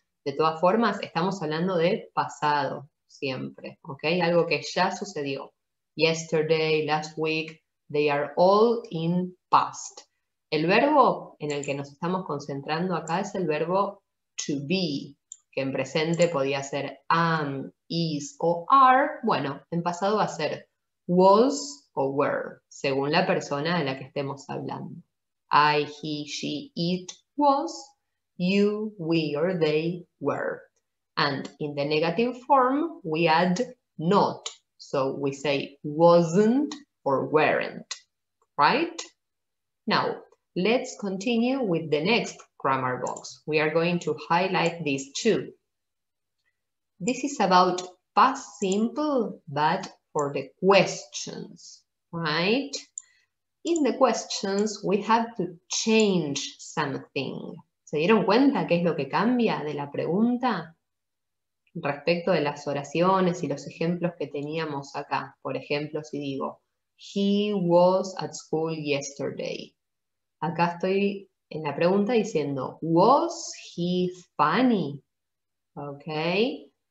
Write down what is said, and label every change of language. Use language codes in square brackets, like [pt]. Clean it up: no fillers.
[es] De todas formas, estamos hablando de pasado siempre, [en] okay? [es] Algo que ya sucedió. [en] Yesterday, last week, they are all in past. [es] El verbo en el que nos estamos concentrando acá es el verbo to be, que en presente podía ser am, is o are, bueno, en pasado va a ser was o were, según la persona de la que estemos hablando. [en] I, he, she, it, was, you, we, or they, were. And in the negative form, we add not. So we say wasn't or weren't, right? Now, let's continue with the next grammar box. We are going to highlight these two. This is about past simple, but for the questions, right? In the questions, we have to change something. [es] ¿Se dieron cuenta qué es lo que cambia de la pregunta? Respecto de las oraciones y los ejemplos que teníamos acá. Por ejemplo, si digo, [en] he was at school yesterday. [es] Acá estoy en la pregunta diciendo, [en] was he funny? Okay.